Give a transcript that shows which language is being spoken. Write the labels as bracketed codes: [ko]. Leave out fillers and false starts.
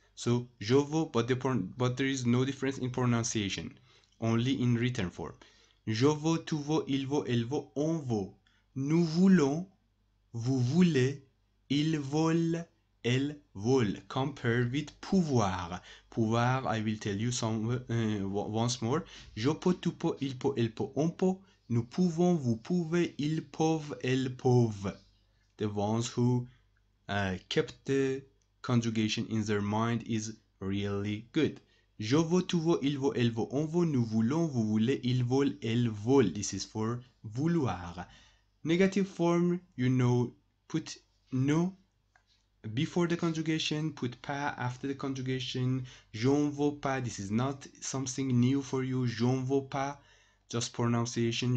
[en] So, [fr] je veux, [en] but there is no difference in pronunciation, only in written form. [fr] Je veux, tu veux, il veut, elle veut, on veut. Nous voulons, vous voulez, ils veulent, elles veulent. [en] Compare with pouvoir. Pouvoir, I will tell you once more. [fr] Je peux, tu peux, il peut, elle peut, on peut. Nous pouvons, vous pouvez, ils peuvent, elles peuvent. [en] The ones who kept the conjugation in their mind is really good. [fr] Je veux, tu veux, il veut, elle veut, on veut, nous voulons, vous voulez, il veut, elle veut. [en] This is for vouloir. Negative form, you know, put no before the conjugation, put pas after the conjugation. [fr] Je ne veux pas, [en] this is not something new for you. [fr] Je ne veux pas, [en] just pronunciation.